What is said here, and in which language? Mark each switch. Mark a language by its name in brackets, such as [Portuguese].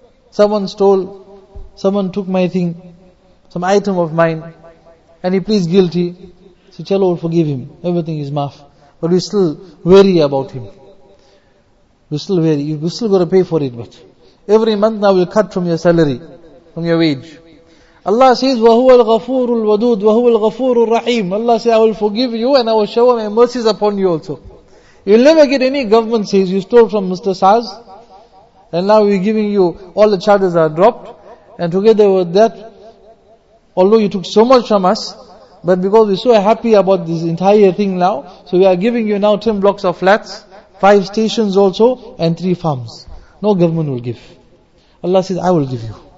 [English] Someone stole, someone took my thing, some item of mine, and he pleads guilty. So chalo, we'll forgive him. Everything is maaf. But we still worry about him. We still worry. We still got to pay for it. But every month now we'll cut from your salary, from your wage. Allah says, [Arabic] وَهُوَ الْغَفُورُ الْوَدُودُ وَهُوَ الْغَفُورُ الرَّحِيمُ. [English] Allah says, I will forgive you and I will shower my mercies upon you also. You'll never get any government says, you stole from Mr. Saz, and now we're giving you, all the charges are dropped, and together with that, although you took so much from us, but because we're so happy about this entire thing now, so we are giving you now 10 blocks of flats, 5 stations also, and 3 farms. No government will give. Allah says, I will give you.